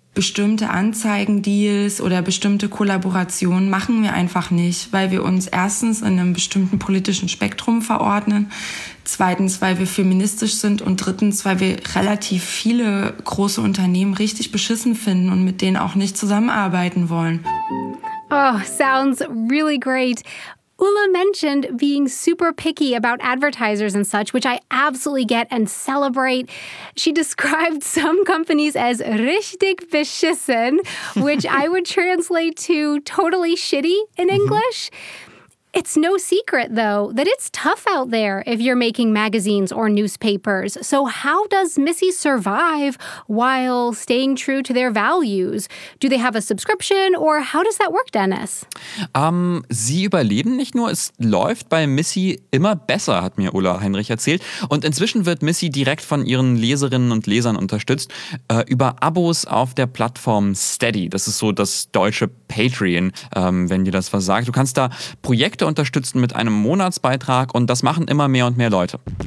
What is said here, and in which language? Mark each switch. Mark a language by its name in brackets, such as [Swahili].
[German] Bestimmte Anzeigendeals oder bestimmte Kollaborationen machen wir einfach nicht, weil wir uns erstens in einem bestimmten politischen Spektrum verordnen, zweitens, weil wir feministisch sind und drittens, weil wir relativ viele große Unternehmen richtig beschissen finden und mit denen auch nicht zusammenarbeiten wollen. [English] Oh, sounds really great. Ulla mentioned being super picky about advertisers and such, which I absolutely get and celebrate. She described some companies as [German] richtig beschissen, [English] which I would translate to totally shitty in English. It's no secret, though, that it's tough out there if you're making magazines or newspapers. So how does Missy survive while staying true to their values? Do they have a subscription or how does that work, Dennis? [German] Sie überleben nicht nur, es läuft bei Missy immer besser, hat mir Ulla Heinrich erzählt. Und inzwischen wird Missy direkt von ihren Leserinnen und Lesern unterstützt über Abos auf der Plattform Steady. Das ist so das deutsche Patreon, wenn dir das was sagt. Du kannst da Projekte unterstützen mit einem Monatsbeitrag und das machen immer mehr und mehr Leute.